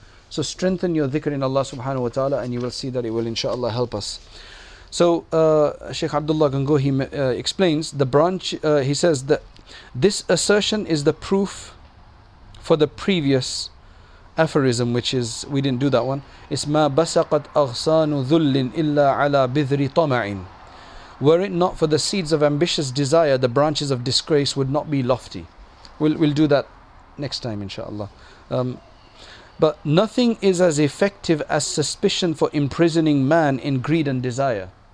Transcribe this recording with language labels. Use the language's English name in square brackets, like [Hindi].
[English] So strengthen your dhikr in Allah subhanahu wa ta'ala and you will see that it will inshallah help us. So Sheikh Abdullah Gangohi explains the branch, he says that this assertion is the proof for the previous aphorism, which is, we didn't do that one. [Arabic] It's ما بسقت أغصان ذل إلا على بذر طمع. [English] Were it not for the seeds of ambitious desire, the branches of disgrace would not be lofty. We'll do that next time inshallah. But nothing is as effective as suspicion for imprisoning man in greed and desire.